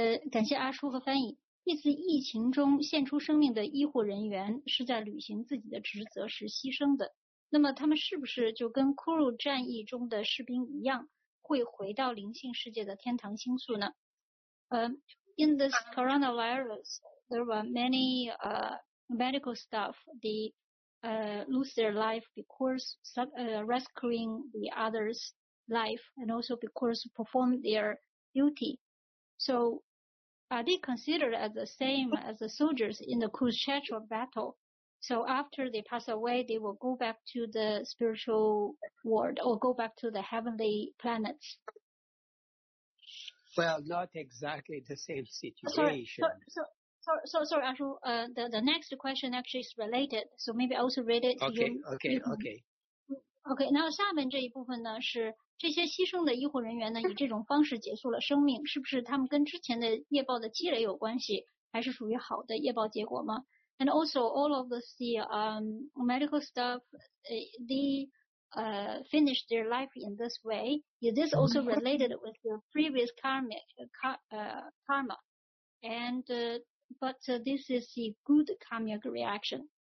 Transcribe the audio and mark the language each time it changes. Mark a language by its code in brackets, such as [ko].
[zh] 感谢阿叔和翻译。这次疫情中献出生命的医护人员是在履行自己的职责时牺牲的。那么他们是不是就跟库鲁战役中的士兵一样，会回到灵性世界的天堂星宿呢？ [en] In this coronavirus, there were many medical staff they lose their life because rescuing the others' life and also because perform their duty. So, are they considered as the same as the soldiers in the Kurukshetra battle? So, after they pass away, they will go back to the spiritual world or go back to the heavenly planets? Well, not exactly the same situation. Sorry, Ashu. The next question actually is related. So, maybe I also read it to you. Okay. [zh] Now, 下面这一部分呢是这些牺牲的医护人员呢，以这种方式结束了生命，是不是他们跟之前的业报的积累有关系，还是属于好的业报结果吗？ [en] And also all of the medical staff, they finish their life in this way. Is this also related with your previous karma? And but this is a good karmic reaction.